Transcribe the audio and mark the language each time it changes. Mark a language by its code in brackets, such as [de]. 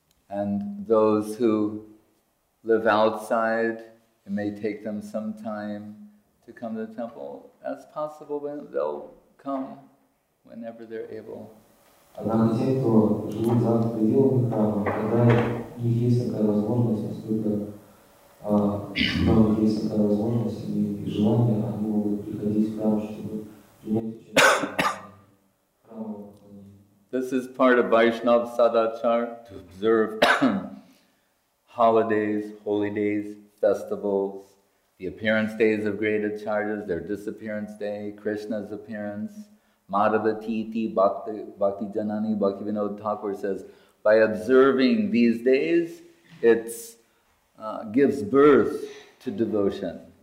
[en] And those who live outside, it may take them some time to come to the temple. As possible, when they'll come whenever they're able. [ru] Однако те, кто живут за пределами храма, когда у них есть такая возможность, насколько есть такая возможность и желание, они могут приходить в храм, чтобы принять участие в храмовом поклонении. [en] This is part of Vaishnava Sadachar, to observe holidays, holy days, festivals, the appearance days of great acharyas, their disappearance day, Krishna's appearance. Madhava Titi Bhakti Janani Bhakti Vinod Thakur says, by observing these days, it gives birth to devotion.